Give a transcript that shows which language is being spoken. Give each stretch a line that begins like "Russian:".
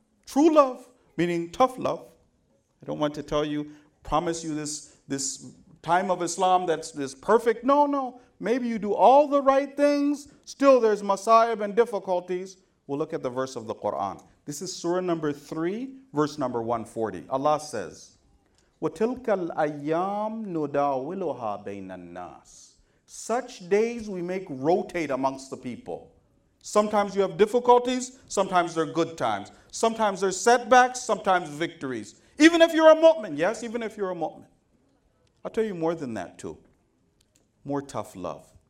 English: True love, meaning tough love. I don't want to tell you, promise you this time of Islam that's this perfect. No, no. Maybe you do all the right things. Still there's masaib and difficulties. We'll look at the verse of the Quran. This is surah number 3, verse number 140. Allah says,
Arabic: وَتِلْكَ الْأَيَّامُ نُدَاوِلُهَا بَيْنَ النَّاسِ.
English: Such days we make rotate amongst the people. Sometimes you have difficulties, sometimes there are good times. Sometimes there are setbacks, sometimes victories. Even if you're a mu'min, yes, even if you're a mu'min. I'll tell you more than that too. More tough love.